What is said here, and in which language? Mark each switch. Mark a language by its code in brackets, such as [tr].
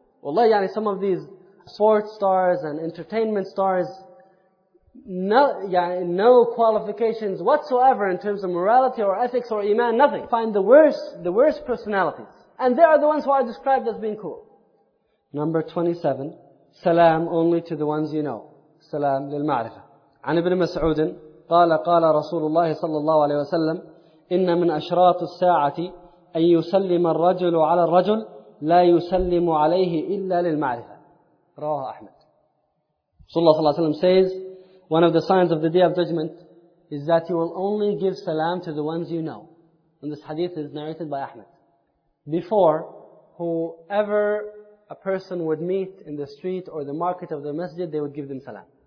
[en] Wallahi, yani some of these sports stars and entertainment stars, no qualifications whatsoever in terms of morality or ethics or iman, nothing. Find the worst personalities. And they are the ones who are described as being cool. Number 27, salam only to the ones you know. [ar] سلام للمعرفة. عن ابن مسعود قال قال رسول الله صلى الله عليه وسلم إن من أشراط الساعة أن يسلم الرجل على الرجل لا يسلم عليه إلا للمعرفة. رواه أحمد. [en] رسول الله صلى الله عليه وسلم says, one of the signs of the day of judgment is that you will only give salam to the ones you know. And this hadith is narrated by Ahmed. Before, whoever a person would meet in the street or the market of the masjid, they would give them salam.